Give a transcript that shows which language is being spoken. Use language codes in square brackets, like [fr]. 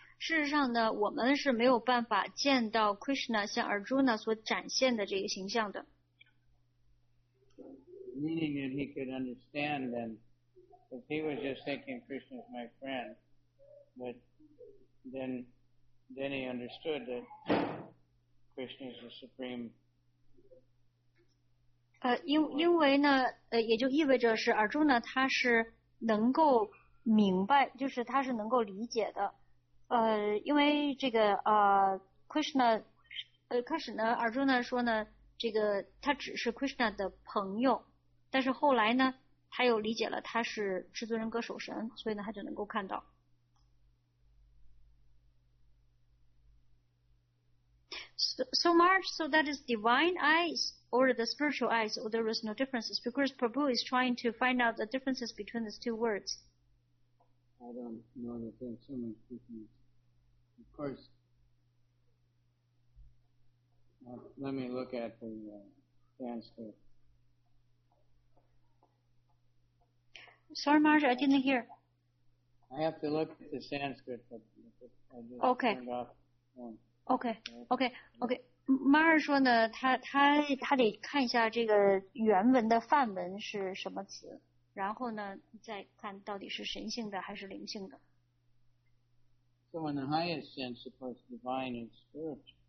[zh] 事实上呢，我们是没有办法见到 Krishna 向 Arjuna 所展现的这个形象的。 [en] Meaning that he could understand them. If he was just thinking Krishna is my friend, but then he understood that Krishna is the supreme. [zh] 因为呢，也就意味着是尔朱呢，他是能够明白，就是他是能够理解的。因为这个Krishna， 开始呢，尔朱呢说呢，这个他只是 Krishna 的朋友，但是后来呢，他又理解了他是至尊人格守神，所以呢，他就能够看到。 [en] So Marge, so that is divine eyes or the spiritual eyes, or there is no differences, because Prabhu is trying to find out the differences between these two words. I don't know that there's so much difference. Of course, let me look at the transcript. Sorry, Marge, I didn't hear. I have to look at the Sanskrit, but I just turned off the phone. Okay. [zh] Mar 说呢，他得看一下这个原文的梵文是什么词，然后呢再看到底是神性的还是灵性的。 [en] So in the highest sense, suppose divine is spiritual.